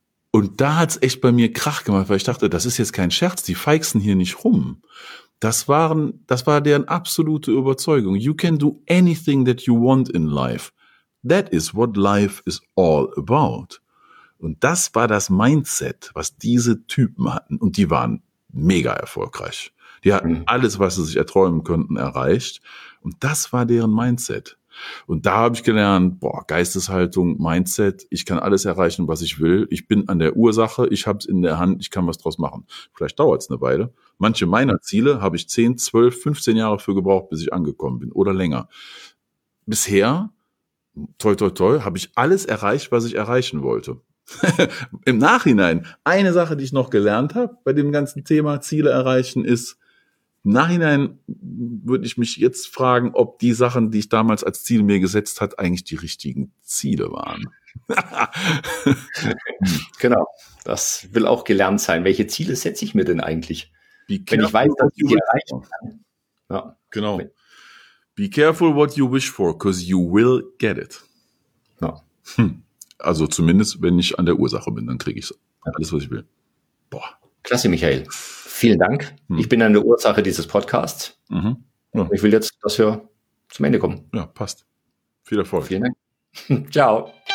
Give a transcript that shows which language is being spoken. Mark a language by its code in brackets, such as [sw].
[de] Und da hat's echt bei mir Krach gemacht, weil ich dachte, das ist jetzt kein Scherz, die feixen hier nicht rum. Das war deren absolute Überzeugung. [en] You can do anything that you want in life. That is what life is all about. [de] Und das war das Mindset, was diese Typen hatten. Und die waren mega erfolgreich. Die hatten alles, was sie sich erträumen könnten, erreicht. Und das war deren Mindset. Und da habe ich gelernt, boah, Geisteshaltung, Mindset, ich kann alles erreichen, was ich will. Ich bin an der Ursache, ich habe es in der Hand, ich kann was draus machen. Vielleicht dauert es eine Weile. Manche meiner Ziele habe ich 10, 12, 15 Jahre für gebraucht, bis ich angekommen bin oder länger. Bisher, toi, toi, toi, habe ich alles erreicht, was ich erreichen wollte. Im Nachhinein, eine Sache, die ich noch gelernt habe bei dem ganzen Thema Ziele erreichen, ist, im Nachhinein würde ich mich jetzt fragen, ob die Sachen, die ich damals als Ziel mir gesetzt hat, eigentlich die richtigen Ziele waren. Genau, das will auch gelernt sein. Welche Ziele setze ich mir denn eigentlich? [en] Be careful, [de] wenn ich weiß, dass ich die erreichen kann. Ja. Genau. [en] Be careful what you wish for, because you will get it. [de] Ja. Also zumindest, wenn ich an der Ursache bin, dann kriege ich alles, was ich will. Boah. Klasse, Michael. Vielen Dank. Ich bin an der Ursache dieses Podcasts. Ich will jetzt, dass wir zum Ende kommen. Ja, passt. Viel Erfolg. Vielen Dank. Ciao.